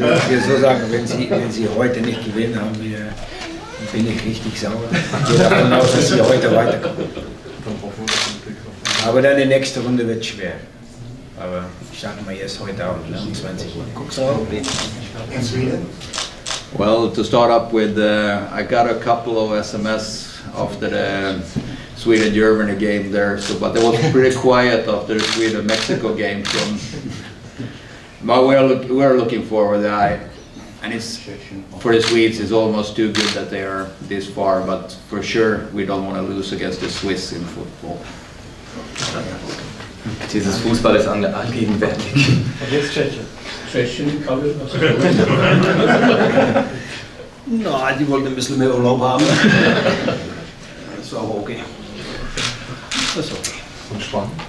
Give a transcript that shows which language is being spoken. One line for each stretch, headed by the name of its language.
German: Ich würde so sagen, wenn Sie heute nicht gewinnen, bin ich richtig sauer. Ich gehe davon aus, dass Sie heute weiterkommen. Aber dann die nächste Runde wird schwer. Aber ich sage mal jetzt heute Abend, 20 Uhr. Guckst du auch?
English: In Sweden? Well, to start up with, I got a couple of SMS after the Sweden-Germany game there, but it was pretty quiet after the Sweden-Mexico game. But we are looking forward to that. And it's, for the Swedes, it's almost too good that they are this far, but for sure, we don't want to lose against the Swiss in football.
German: Dieses Fußball ist allgegenwärtig. Und jetzt Tschechien. Na, no, die wollten ein bisschen mehr Urlaub haben. Das war aber okay. Das ist okay. Und Spanien?